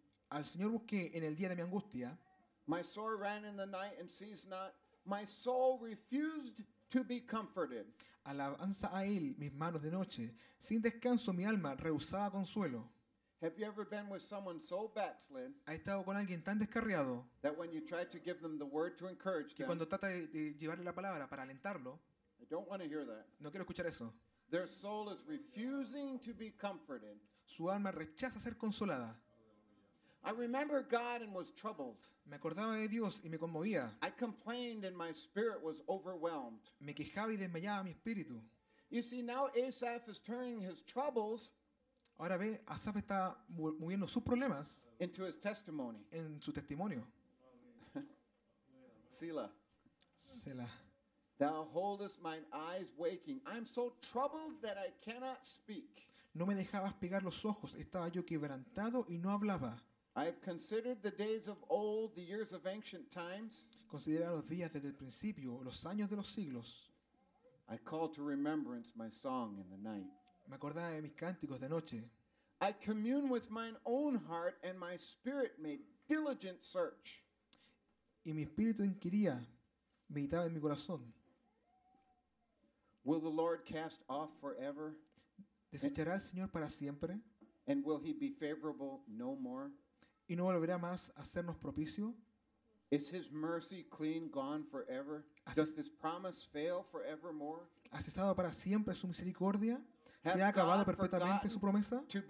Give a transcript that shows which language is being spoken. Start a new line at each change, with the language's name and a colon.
Spanish: Al Señor busqué en el día de mi angustia.
English: My soul ran in the night and ceased not. My soul refused to be comforted.
Spanish: Alabanza a él mis manos de noche. Sin descanso mi alma rehusaba consuelo.
English: Have you ever been with someone so backslid?
Spanish: ¿Ha estado con alguien tan descarriado?
English: That when you try to give them the word to encourage them.
Spanish: Que cuando trata de llevarle la palabra para alentarlo.
English: I don't want to hear that.
Spanish: No quiero escuchar eso.
English: Their soul is refusing to be comforted.
Spanish: Su alma rechaza ser consolada.
English: I remember God and was troubled.
Spanish: Me acordaba de Dios y me conmovía.
English: I complained and my spirit was overwhelmed.
Spanish: Me quejaba y desmayaba mi espíritu.
English: You see, now Asaph is turning his troubles.
Spanish: Ahora ve, Asaph está moviendo sus problemas
English: into his testimony.
Spanish: En su testimonio.
English: Selah. Thou holdest mine eyes waking. I'm so troubled that I cannot speak.
Spanish: No me dejabas pegar los ojos. Estaba yo quebrantado y no hablaba.
English: I have considered the days of old, the years of ancient times.
Spanish: Considera los días desde el principio, los años de los siglos.
English: I call to remembrance my song in the night.
Spanish: Me acordaba de mis cánticos de noche.
English: I commune with mine own heart and my spirit made diligent search.
Spanish: Y mi espíritu inquiría, meditaba en mi corazón.
English: Will the Lord cast off forever?
Spanish: ¿Desechará el Señor para siempre?
English: And will he be favorable no more?
Spanish: ¿Y no volverá más a sernos propicio?
English: Is his mercy clean gone forever? Does his promise fail forevermore?
Spanish: ¿Ha cesado para siempre su misericordia? ¿Se ha acabado perpetuamente su promesa?